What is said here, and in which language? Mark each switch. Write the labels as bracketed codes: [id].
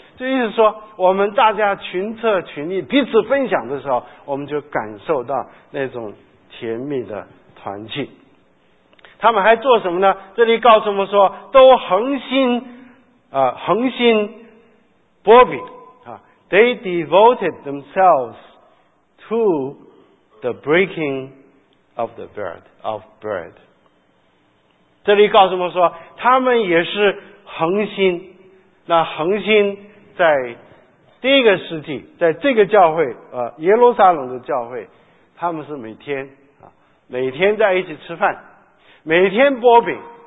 [zh] 就意思说我们大家群策群力彼此分享的时候，我们就感受到那种甜蜜的团契。他们还做什么呢？这里告诉我们说都恒心薄饼啊。 [en] They devoted themselves to the breaking of the bread。 [zh] 这里告诉我们说他们也是恒心，那恒心在第一个世纪，在这个教会耶路撒冷的教会，他们是每天在一起吃饭，每天擘饼。